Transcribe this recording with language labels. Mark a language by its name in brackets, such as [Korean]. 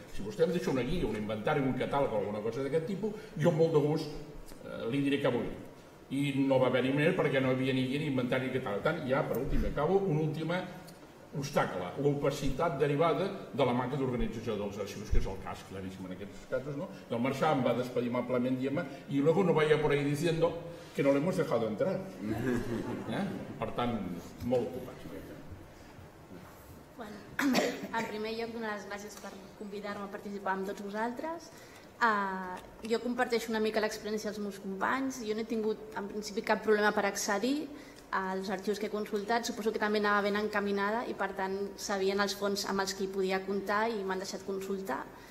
[Catalan] Si vostè em deixa una guia, un inventari, un catàleg o alguna cosa d'aquest tipus, jo amb molt de gust li diré què vull. I no va haver-hi més perquè no hi havia ni guia ni inventari ni catàleg. Tant, ja, per últim, acabo, una última obstacle, l'opacitat derivada de la manca d'organització dels arxius, que és el cas claríssim en aquests casos, no? I el marxar em va despedir amablement, diem-me, [Spanish] i luego no vaya por ahí diciendo que no l'hemos dejado entrar. [Catalan] Per tant, molt ocupat. Bueno, en primer lloc, donar les gràcies per convidar-me a participar amb tots vosaltres. Jo comparteixo una mica l'experiència dels meus companys. Jo no he tingut, en principi, cap problema per accedir als arxius que he consultat, suposo que també anava ben encaminada i per tant sabien els fons amb els que hi podia comptar i m'han deixat consultar.